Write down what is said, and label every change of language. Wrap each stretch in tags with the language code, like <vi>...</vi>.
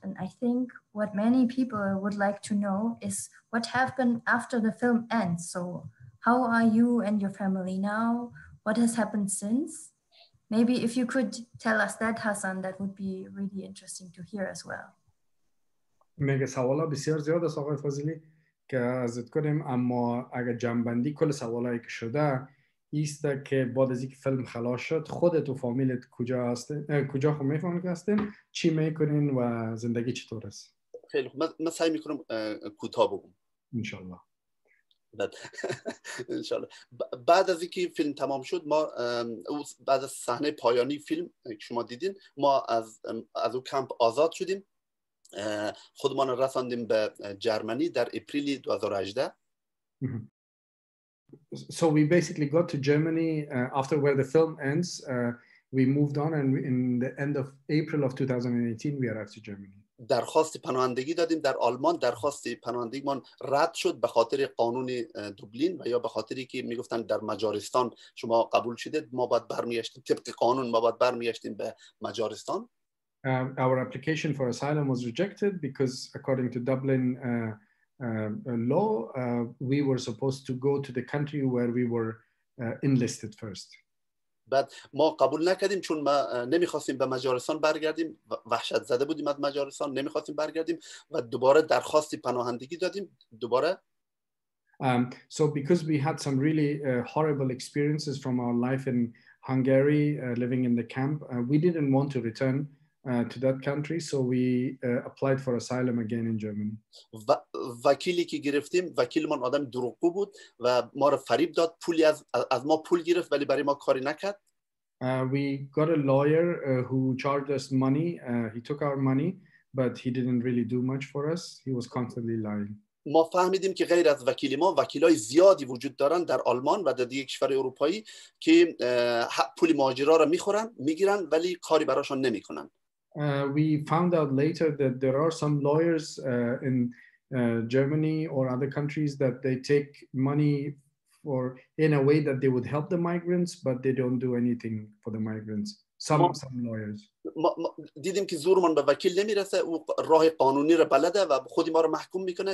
<en>And I think what many people would like to know is what happened after the film ends. So how are you and your family now? What has happened since? Maybe if you could tell us that, Hassan, that would be really interesting to hear as well.</en> <fa>مگه سوالا بسیار زیاد است آقای فاضلی که ازت کنیم، اما اگر جنبندی کل سوالایی که شده ایست که بعد از اینکه فیلم خلاص شد خودت و فامیلت کجا هستن، کجا خود میفهمن که هستن، چی میکنین و زندگی چطور است؟ خیلی خوب، من سعی میکنم کوتاه بگم انشالله. انشالله. بعد از اینکه فیلم تمام شد، ما بعد از صحنه پایانی فیلم شما دیدین، ما از او کمپ آزاد شدیم، خودمان رساندیم به جرمنی در اپریل 2018.</fa> <en>So we basically got to Germany after where the film ends. We moved on and in the end of April of 2018 we arrived to Germany.</en> <fa>درخواست پناهندگی دادیم در آلمان. درخواست پناهندگی من رد شد به خاطر قانون دوبلین و یا به خاطری که میگفتن در مجارستان شما قبول شدید، ما باید برمیگشتیم طبق قانون، ما باید برمیگشتیم به مجارستان.</fa> <en>Our application for asylum was rejected because according to Dublin law, we were supposed to go to the country where we were enlisted first.</en> <fa>But ما قبول نکردیم چون ما نمیخواستیم به مجارستان برگردیم، وحشت زده بودیم از مجارستان، نمیخواستیم برگردیم و دوباره درخواست پناهندگی دادیم دوباره.</fa> <en>So because we had some really horrible experiences from our life in Hungary, living in the camp, we didn't want to return to that country, so we applied for asylum again in Germany.</en> <fa>وکیلی که گرفتیم، وکیل من آدم دروغگو بود و ما را فریب داد، پولی از ما پول گرفت ولی برای ما کاری نکرد.</fa> <en>We got a lawyer who charged us money. He took our money, but he didn't really do much for us. He was constantly lying.</en> <fa>ما فهمیدیم که غیر از وکیل ما، وکیلای زیادی وجود دارن در آلمان و در دیگر کشور اروپایی که پول مهاجرا را میخورن، میگیرن ولی کاری براشون نمیکنن.</fa> <en>We found out later that there are some lawyers in Germany or other countries that they take money for in a way that they would help the migrants, but they don't do anything for the migrants. Some lawyers.</en> <fa>دیدیم که زورمان به وکیل نمیرسه، او راه قانونی را بلده و خودی ما را محکوم میکنه.</fa>